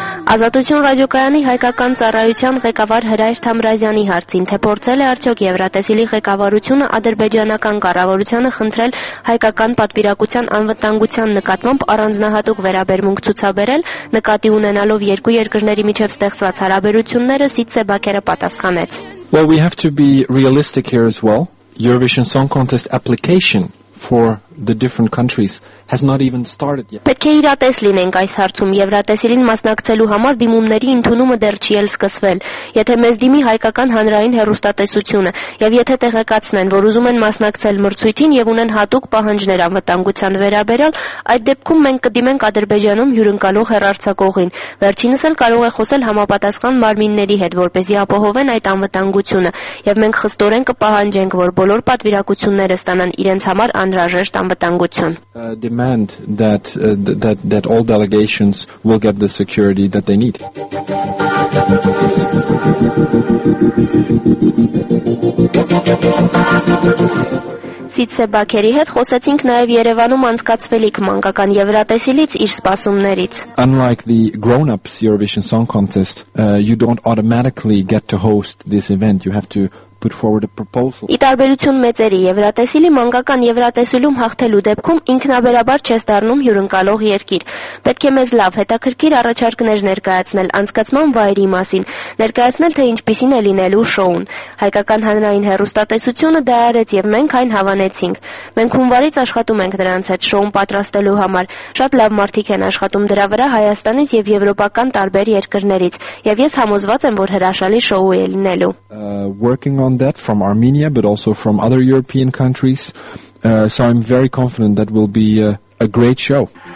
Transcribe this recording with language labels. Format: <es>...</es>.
<hy>Ազատություն ռադիոկայանի հայկական ծառայության ղեկավար Հրայր Թամրազյանի հարցին, թե փորձել է արդյոք Եվրատեսիլի ղեկավարությունը ադրբեջանական կառավարությանը խնդրել հայկական պատվիրակության անվտանգության նկատմամբ առանձնահատուկ վերաբերմունք ցուցաբերել, նկատի ունենալով երկու երկրների միջև ստեղծված հարաբերությունները, Սիցե Բաքերը պատասխանեց.</hy> <en>Well, we have to be realistic here as well. Eurovision Song Contest application for the different countries has not even started yet.</en> <hy>Պետք է իրատես լինենք այս հարցում, Եվրատեսիլին մասնակցելու համար դիմումների ընդունումը դեռ չի էլ սկսվել։ Եթե մեզ դիմի հայկական հանրային հեռուստատեսությունը, եւ եթե տեղեկացնեն, որ ուզում են մասնակցել մրցույթին եւ ունեն հատուկ պահանջներ անվտանգության վերաբերյալ, այդ դեպքում մենք կդիմենք Ադրբեջանում հյուրընկալող հեռարձակողին։ Վերջինս էլ կարող է խոսել համապատասխան մարմինների հետ, որպեսզի ապահովեն այդ անվտանգությունը, եւ մենք խստորեն կպահանջենք, որ բոլոր պատվիրակությունները ստանան իրենց համար անհրաժեշտ անվտանգություն։</hy> <en>Demand that that all delegations will get the security that they need.</en> <hy>Սիցե Բաքերի հետ խոսեցինք նաև Երևանում անցկացվելիք մանկական Եվրատեսիլից իր սպասումներից։</hy> <en>Unlike the grown-ups Eurovision Song Contest, you don't automatically get to host this event. You have to put forward a proposal.</en> <hy>Ի տարբերություն մեծերի, Եվրատեսիլի մանկական Եվրատեսիլում հաղթելու դեպքում ինքնաբերաբար չես դառնում հյուրընկալող երկիր։ Պետք է մեզ լավ հետաքրքիր առաջարկներ ներկայացնել անցկացման վայրի մասին, ներկայացնել, թե ինչպիսին է լինելու շոուն։ Հայկական հանրային հեռուստատեսությունը դա արեց եւ մենք այն հավանեցինք։ Մենք հունվարից աշխատում ենք դրանց հետ շոուն պատրաստելու համար։ Շատ լավ մարդիկ են աշխատում դրա վրա Հայաստանից եւ եվրոպական տարբեր երկրներից, եւ ես համոզված եմ, որ հրաշալի շոու է լինելու։</hy> <en>On that from Armenia but also from other European countries, so I'm very confident that will be a great show.</en>